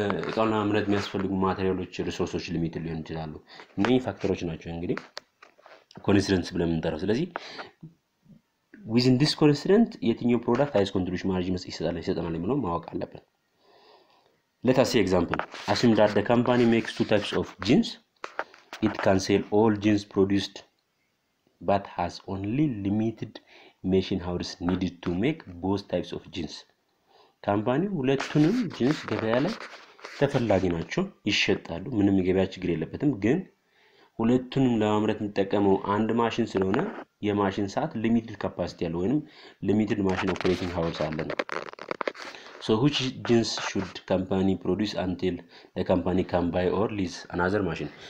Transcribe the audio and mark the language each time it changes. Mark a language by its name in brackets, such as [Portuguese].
[Amharic] እቃውና ምርት የሚያስፈልጉ ማቴሪያሎች ሪሶርሶች ሊሚት ሊሆን ይችላሉ። እነዚህ ፋክተሮች ናቸው እንግዲህ ኮንስትሬንትስ ብለን እንጠራው። ስለዚህ [English] ዊዝን ዲስ ኮንስትሬንት [Amharic] የትኛው ፕሮዳክት ሃይስ ኮንትሪቢዩሽን ማርጂን መስጠት ይሰጣል ይሰጠናል ብለን ማወቅ አለብን። [English] Let us see example. Assume that the company makes two types of jeans. It can sell all jeans produced but has only limited machine hours needed to make both types of jeans. [Amharic] Company ሁለቱንም jeans ገበያ ላይ ተፈላጊ ናቸው ይሸጣሉ ምንም ገበያ ችግር የለበትም ግን ሁለቱንም ለማምረት የሚጠቀመው አንድ ማሽን ስለሆነ የማሽን ሰዓት limited capacity አለ ወይንም limited machine operating hours አለ ነው። [English] So which jeans should company produce until the company can buy or lease another machine?